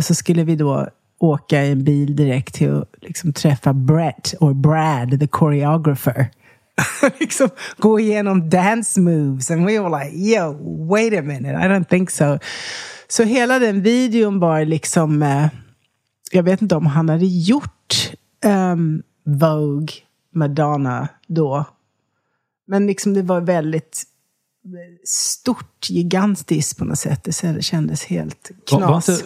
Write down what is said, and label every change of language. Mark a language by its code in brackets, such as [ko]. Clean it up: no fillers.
[sv] Och så skulle vi då åka i en bil direkt till att liksom träffa Brad the choreographer. Liksom gå igenom [en] dance moves, and we were like, yo, wait a minute, I don't think so. [sv] Så hela den videon var liksom, jag vet inte om han hade gjort Vogue, Madonna då, men liksom det var väldigt stort, gigantiskt på något sätt. Det kändes helt knas.